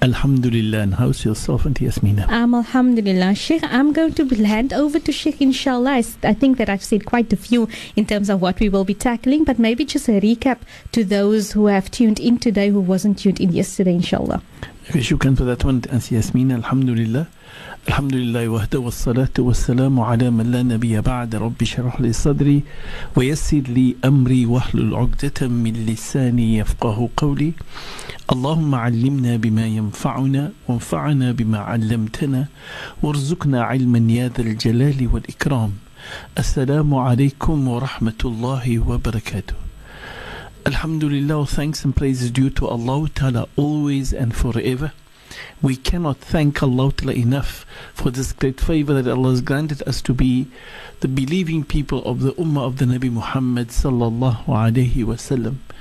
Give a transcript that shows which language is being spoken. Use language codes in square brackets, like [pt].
[en] Alhamdulillah, and how's yourself, Auntie Yasmina? Alhamdulillah. Sheikh, I'm going to hand over to Sheikh, inshallah. I think that I've said quite a few in terms of what we will be tackling, but maybe just a recap to those who have tuned in today who wasn't tuned in yesterday, inshallah. Okay, shukran for that one, Auntie Yasmina. Alhamdulillah. [ar] الحمد لله وحده والصلاة والسلام على من لا نبي بعد ربي شرح لي صدري ويسر لي أمري واحلل عقدة من لساني يفقه قولي اللهم علمنا بما ينفعنا وانفعنا بما علمتنا وارزقنا علما يا ذا الجلال والإكرام السلام عليكم ورحمة الله وبركاته. [en] Alhamdulillah, thanks and praise is due to Allah Ta'ala always and forever. We cannot thank Allah Ta'ala enough for this great favor that Allah has granted us to be the believing people of the Ummah of the Nabi Muhammad sallallahu alayhi wa sallam.